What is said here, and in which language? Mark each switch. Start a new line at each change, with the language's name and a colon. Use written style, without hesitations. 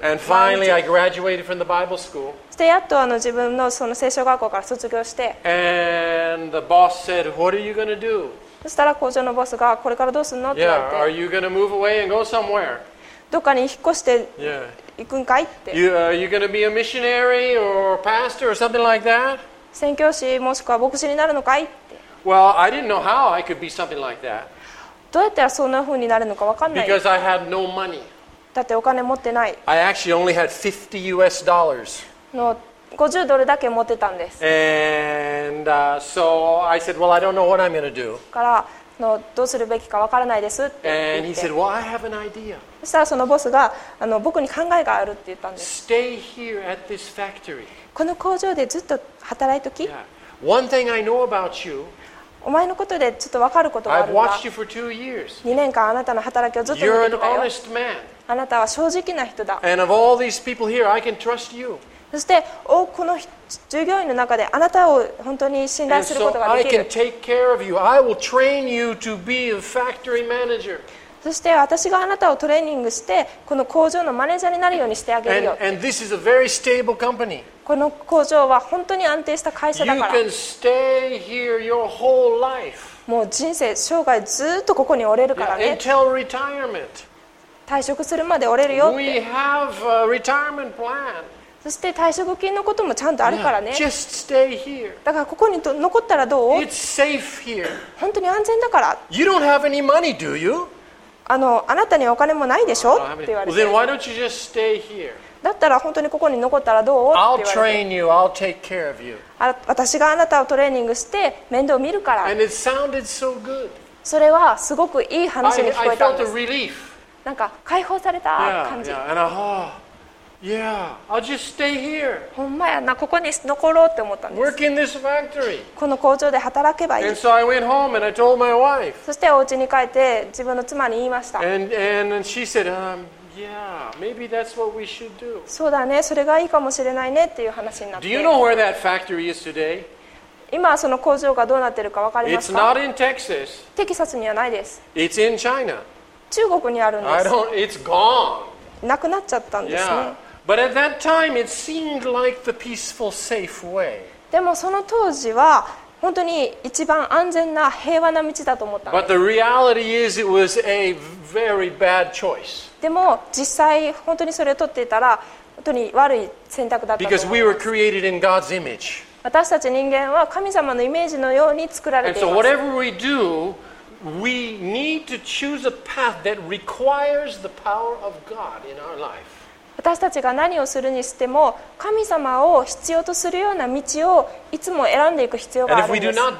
English: And finally I graduated from the Bible school.
Japanese: そしてやっと自分のその聖書学校から卒業して。
English: And the boss said, "What are you going to do?"
Japanese: そしたら工場のボスがこれからどうするのって言われて、
English: Yeah, are you going to move away and go somewhere?
Japanese: どっかに引っ越して行くんかいって。
English: You, are you going to be a missionary or a pastor or something like that?
Japanese: 宣教師もしくは牧師になるのかいって。
English: Well, I didn't know how I could be something like that.
Japanese: どうやったらそんな風になるのか分かんない。
English: Because I had no money.
Japanese: だってお金持ってない。
English: I actually only had $50.
Japanese: の50ドルだけ持ってたんです。
English: And, so I said, well, I don't know what I'm going to do.
Japanese: からのどうするべきか分からないですって言って。
English: And he said, well, I have an idea.
Japanese: そしたらそのボスが僕に考えがあるって言ったんです。
English: Stay here at this factory.
Japanese: この工場でずっと働いとき。
English: Yeah. One thing I know about you.
Japanese: お前のことでちょっと分かることがあるんだ。
English: I've watched you for 2 years.
Japanese: 2年間あなたの働きをずっと見てきたよ。
English: You're an honest man.
Japanese: あなたは正直な人だ。
English: And of all these people here, I can trust you.
Japanese: そして多くの従業員の中であなたを本当に信頼することができる。
English: And so I can take care of you. I will train you to be a factory manager.
Japanese: そして私があなたをトレーニングしてこの工場のマネージャーになるようにしてあげるよ。
English: And this is a very stable company.
Japanese: この工場は本当に安定した会社だから。
English: You can stay here your whole life.
Japanese: もう人生生涯ずっとここにおれるからね。
English: Yeah, until retirement.
Japanese: 退職するまでおれるよって。
English: We have a retirement plan.
Japanese: そして退職金のこともちゃんとあるからね。
English: Yeah, just stay here.
Japanese: だからここに残ったらどう？
English: It's safe here.
Japanese: 本当に安全だから。
English: You don't have any money, do you?
Japanese: あなたにお金もないでしょ？って言われて。
English: Well, then why don't you just stay here?
Japanese: だったら本当にここに残ったらどう？って言われて。
English: I'll train you. I'll take care of you.
Japanese: 私があなたをトレーニングして面倒を見るから。
English: And it sounded so good.
Japanese: それはすごくいい話に聞こえたんです。
English: I felt a relief.
Japanese: なんか解放された感じ。
English: Yeah, yeah. And Yeah, I'll just stay here.
Japanese: ほんまやな、ここに残ろうって思ったんです。
English: Work in this factory.
Japanese: この工場で働けばいい。
English: And so I went home and I told my wife.
Japanese: そしてお家に帰って自分の妻に言いました。
English: And she said, yeah, maybe that's what we should do.
Japanese: そうだね、それがいいかもしれないねっていう話になって。
English: Do you know where that factory is today?
Japanese: 今その工場がどうなってるか分かりますか?
English: It's not in Texas.
Japanese: テキサスにはないです。
English: It's in China.
Japanese: 中国にあるんです。
English: It's gone.
Japanese: なくなっちゃったんですね。
English: Yeah. But at that time, it seemed like the peaceful, safe way.
Japanese: でもその当時は本当に一番安全な平和な道だと思った。
English: But the reality is, it was a very bad choice.
Japanese: でも実際本当にそれを取っていたら本当に悪い選択だったと。
English: Because we were created in God's image.
Japanese: 私たち人間は神様のイメージのように作られています。
English: And so whatever we do, we need to choose a path that requires the power of God in our life.
Japanese: 私たちが何をするにしても神様を必要とするような道をいつも選んでいく必要があるんです。